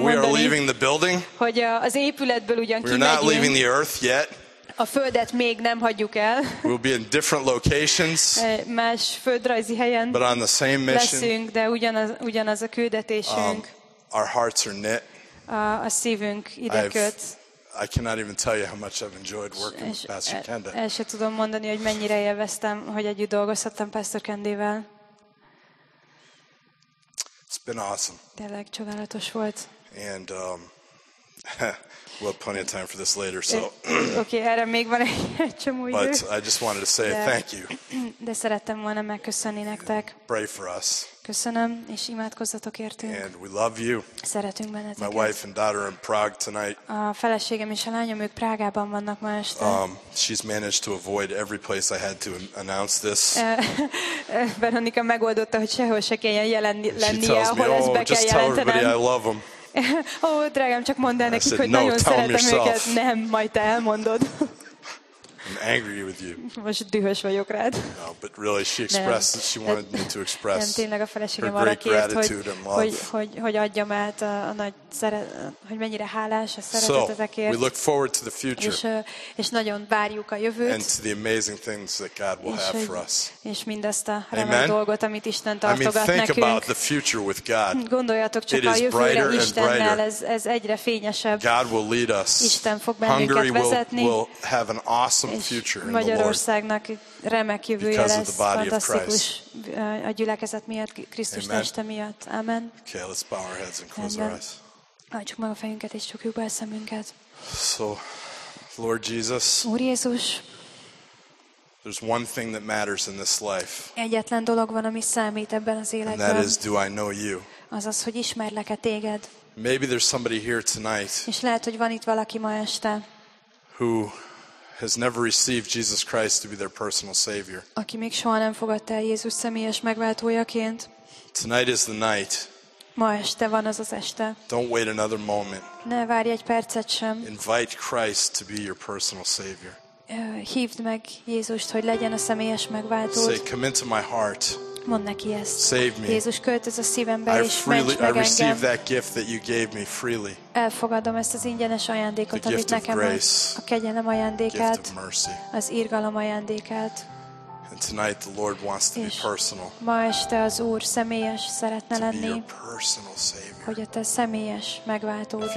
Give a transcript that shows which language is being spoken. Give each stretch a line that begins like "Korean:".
Hungarian: mondani,
English: we are leaving the building.
Hungarian: Hogy az épületből ugyan kimegyünk.
English: We're not leaving the earth yet.
Hungarian: A földet még nem hagyjuk el.
English: We'll be in different locations.
Hungarian: Más földrajzi helyen.
English: But on the same mission.
Hungarian: Leszünk, de ugyanaz a küldetésünk.
English: Our hearts are knit.
Hungarian: A szívünk ideköt.
English: I cannot even tell you how much I've enjoyed working with Pastor Kenda.
Hungarian: El sem tudom mondani, hogy mennyire élveztem, hogy együtt dolgozhattam Pastor Kendivel.
English: It's been awesome.
Hungarian: Tényleg csodálatos volt.
English: And we'll have plenty of time for this later, so.
Hungarian: Okay, erre még van egy csomó idő.
English: But I just wanted to say thank you.
Hungarian: De szerettem volna megköszönni nektek.
English: Pray for us.
Hungarian: Köszönöm, és imádkozzatok értünk.
English: And we love you.
Hungarian: Szeretünk benneteket.
English: My wife and daughter are in Prague tonight.
Hungarian: A feleségem és a lányom, ők Prágában vannak ma este.
English: She's managed to avoid every place I had to announce this.
Hungarian: Veronika megoldotta, hogy sehol se kelljen jelenni, ahol ezt be kell jelentenem.
English: She tells me, oh, just tell everybody I love them.
Hungarian: Ó, drágám, csak mondd el nekik,
English: said,
Hungarian: hogy nagyon
English: no,
Hungarian: szeretem
English: yourself.
Hungarian: Őket. Nem, majd te elmondod.
English: I'm angry with you.
Hungarian: Most dühös vagyok rád.
English: No, but really she expressed that she wanted me to express
Hungarian: tényleg a feleségem arra kért, hogy adjam át a nagy szeretet, hogy mennyire hálás a szeretetekért.
English: So, we look forward to the future.
Hungarian: És nagyon várjuk a jövőt.
English: And to the amazing things that God will have for us.
Hungarian: És mindazt a remek dolgot, amit Isten tartogat nekünk.
English: I mean, think about the future with God.
Hungarian: Gondoljatok csak a jövőre Istennel, ez egyre fényesebb.
English: God will lead us.
Hungarian: Isten fog bennünket vezetni.
English: Will have an awesome future in the Lord.
Hungarian: Remek jövője lesz, fantasztikus a gyülekezet miatt, Krisztus teste miatt.
English: Amen. Okay, let's bow our heads and close our eyes.
Hungarian: Hagyjuk meg a fejünket és csukjuk be a szemünket.
English: So, Lord Jesus.
Hungarian: Úr Jézus.
English: There's one thing that matters in this life.
Hungarian: Egyetlen dolog van, ami számít ebben az életben.
English: And that is, do I know you?
Hungarian: Azaz, hogy ismerlek-e téged.
English: Maybe there's somebody here tonight.
Hungarian: És lehet, hogy van itt valaki ma este.
English: Who has never received Jesus Christ to be their personal savior.
Hungarian: Aki még soha nem fogadta el Jézus személyes megváltójaként.
English: Tonight is the night.
Hungarian: Ma este van az az este.
English: Don't wait another moment.
Hungarian: Ne várj egy percet sem.
English: Invite Christ to be your personal savior.
Hungarian: Hívd meg Jézust, hogy legyen a személyes megváltód.
English: Say, come into my heart.
Hungarian: Mondd neki ezt.
English: Save me.
Hungarian: Jézus, költöz a szívembe és ments meg engem.
English: I receive that gift that you gave me freely.
Hungarian: Elfogadom ezt az ingyenes ajándékot, amit nekem
English: grace,
Hungarian: a kegyelem ajándékát,
English: gift of mercy.
Hungarian: Az írgalom ajándékát.
English: And tonight the Lord wants to be personal.
Hungarian: Ma este az Úr személyes szeretne
English: to
Hungarian: lenni.
English: Be your personal savior.
Hungarian: Hogy a te személyes megváltód legyen.